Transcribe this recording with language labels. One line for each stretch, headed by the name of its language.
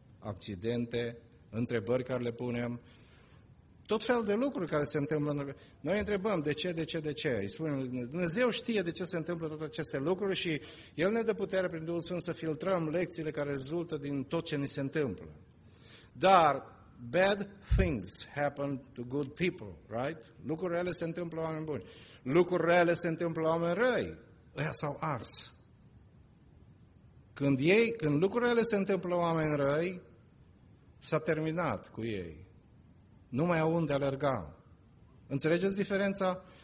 Romanian: Accidente, întrebări care le punem, tot fel de lucruri care se întâmplă. Noi întrebăm de ce, de ce, de ce. Îi spunem, Dumnezeu știe de ce se întâmplă toate aceste lucruri și El ne dă putere prin Duhul Sfânt să filtrăm lecțiile care rezultă din tot ce ni se întâmplă.
English: Dar bad things happen to good people, right?
Romanian: Lucruri rele se întâmplă la oameni buni. Lucruri rele se întâmplă la oameni răi. Ăia s-au ars. Când lucrurile se întâmplă la oameni răi, s-a terminat cu ei. Nu mai au unde alerga. Înțelegeți diferența?